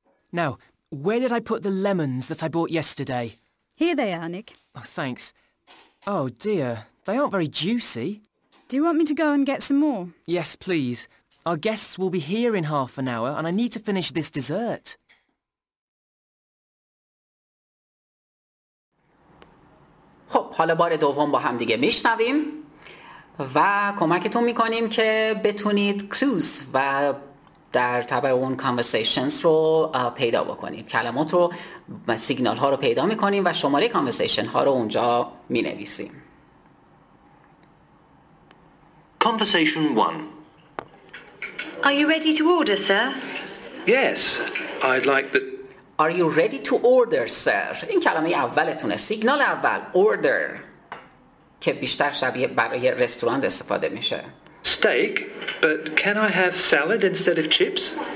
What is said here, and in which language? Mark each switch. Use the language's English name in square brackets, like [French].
[English] Now, where did I put the lemons that I bought yesterday? Here they are, Nick. Oh, thanks. Oh, dear. They aren't very juicy. Do you want me to go and get some more? Yes, please. Our guests will be here in half an hour and I need to finish this dessert. [Persian] خب، حالا بار دوم با هم دیگه میشنویم و کمکتون میکنیم که بتونید کلوز و در تبع اون کانورسیشنز رو پیدا بکنید. کلمات رو و سیگنال ها رو پیدا میکنیم و شماره کانورسیشن ها رو اونجا مینویسیم. [English] Conversation 1. Are you ready to order, sir? Yes, I'd like the... Are you ready to order, sir? [Persian] این کلمه اولتونه. سیگنال اول. Order. که بیشتر شبیه برای رستوران استفاده میشه. [English] Steak, but can I have salad instead of chips?